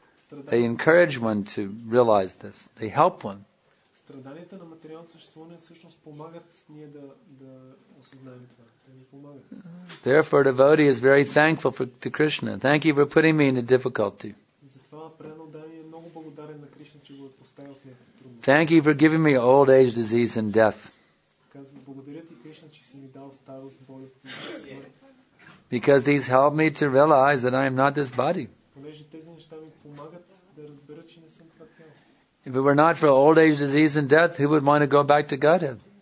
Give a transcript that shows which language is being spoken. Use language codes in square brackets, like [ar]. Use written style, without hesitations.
[en] They encourage one to realize this. They help one. [bg] Страданията на материалното съществуване всъщност помагат ние да осъзнаем това. Те ни помагат. [en] Therefore, a devotee is very thankful to Krishna. Thank you for putting me in a difficulty. [bg] Затова преданото дани е много благодарен на Кришна, че го е поставил в някакъв труд. [en] Thank you for giving me old age, disease and death. [bg] Благодаря ти, Кришна, че си ми дал старост, болест и смърт. [en] Because these help me to realize that I am not this body. [bg] Понеже тези неща ми помагат да разбера, че не съм това тяло. [en] If it were not for old age, disease and death, who would want to go back to Godhead?